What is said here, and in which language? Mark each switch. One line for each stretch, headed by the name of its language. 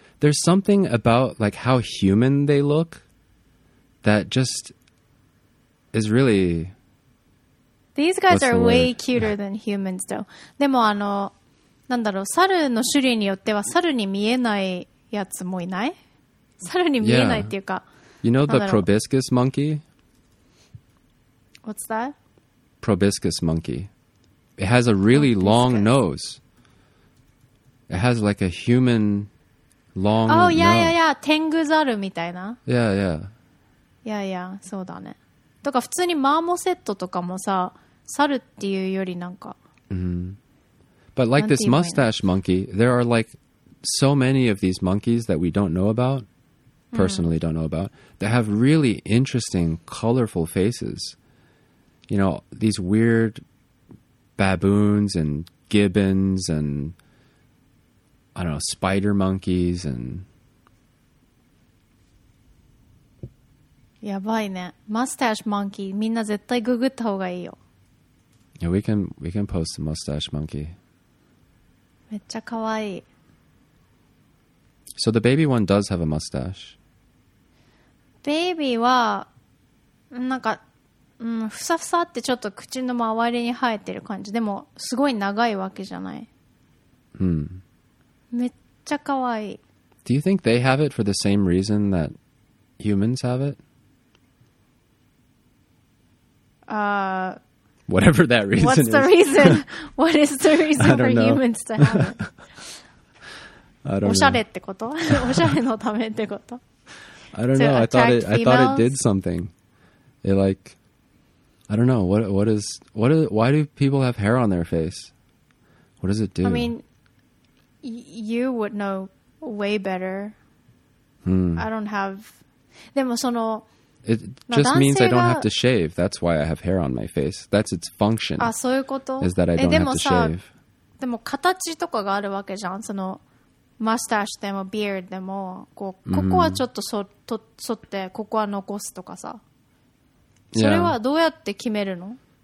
English: There's something about like how human they look that just is really... These guys are way cuter than humans though.
Japanese: でもあの、なんだろう、猿の種類によっては猿に見えないやつもいない？猿に見えないっていうか。
English: You know the proboscis monkey? What's that? Proboscis monkey. It has a really long nose. It has like a human long nose. Oh, yeah, yeah, yeah.
Japanese: Tengu zaru みたいな。
English: Yeah, yeah. Yeah, yeah.
Japanese: そうだね。とか普通にマーモセットとかもさ、猿っていうよりなんか。 Mm-hmm.
English: But like this mustache monkey, there are like so many of these monkeys that we don't know about, personally don't know about, that have really interesting, colorful faces. You know, these weird... baboons and gibbons and I don't know, spider monkeys and
Japanese: やばいね。mustache monkey みんな絶対ググった方がいいよ。
English: Yeah, we can post the mustache monkey.
Japanese: めっちゃかわいい。
English: So the baby one does have a mustache.
Japanese: Baby はなんかふさふさってちょっと口の周りに生えてる感じ。でもすごい長いわけじゃない。うん。めっちゃかわいい。
English: Do you think they have it for the same reason that humans have it? Whatever that reason what's is. What's the reason? What is the reason for humans to have it? I don't know.
Japanese: おしゃれってこと？おしゃれのためってこと？
English: I don't know. I thought it did something. It like... I don't know. Why do people have hair on their face? What does it do? I mean, you would know way better. I don't have...
Japanese: でもその
English: It just means I don't have to shave. That's why I have hair on my face. That's its function.
Japanese: あ、そういうこと?
English: Is that I don't have to shave.
Japanese: でも形とかがあるわけじゃん。その、mustache でも beard でも、こう、ここはちょっと剃って、ここは残すとかさ。
English: Yeah.
Japanese: それはどうやって決めるの?